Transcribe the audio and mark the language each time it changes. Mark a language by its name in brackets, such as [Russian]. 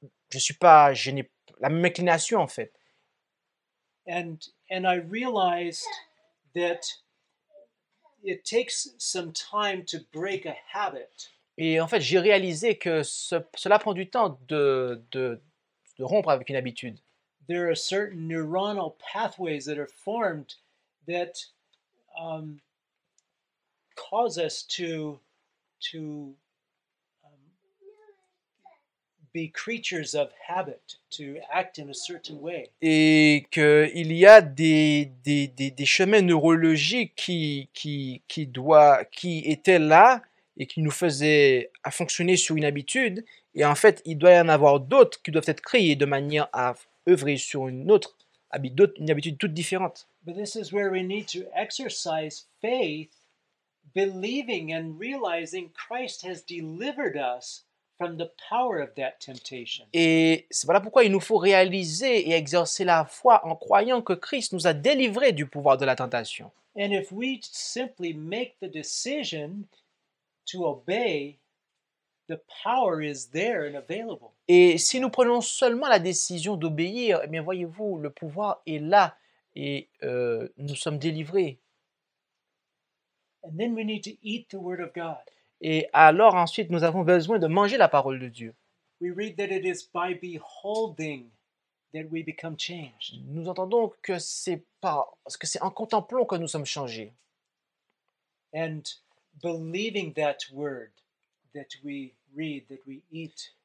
[French] Je n'ai la même inclination en fait. [English] And I realized that it takes some time to break a habit. [French] Et en fait, j'ai réalisé que cela prend du temps de rompre avec une habitude. [English] There are certain neuronal pathways that are formed that cause us to be creatures of habit, to act in a certain way. [French] Et que il y a des chemins neurologiques qui étaient là et qui nous faisait à fonctionner sur une habitude, et en fait, il doit y en avoir d'autres qui doivent être créés de manière à œuvrer sur une autre habitude, une habitude toute différente. [English] But this is where we need to exercise faith, believing and realizing Christ has delivered us from the power of that temptation. [French] Et c'est voilà pourquoi il nous faut réaliser et exercer la foi en croyant que Christ nous a délivrés du pouvoir de la tentation. [English] And if we simply make the decision to obey, the power is there and available. [French] Et si nous prenons seulement la décision d'obéir, eh bien voyez-vous, le pouvoir est là et nous sommes délivrés. [English] And then we need to eat the word of God. [French] Et alors ensuite, nous avons besoin de manger la parole de Dieu. [English] We read that it is by beholding that we become changed. [French] Nous entendons que c'est parce que c'est en contemplant que nous sommes changés. [English] And believing that word that we read, that we eat,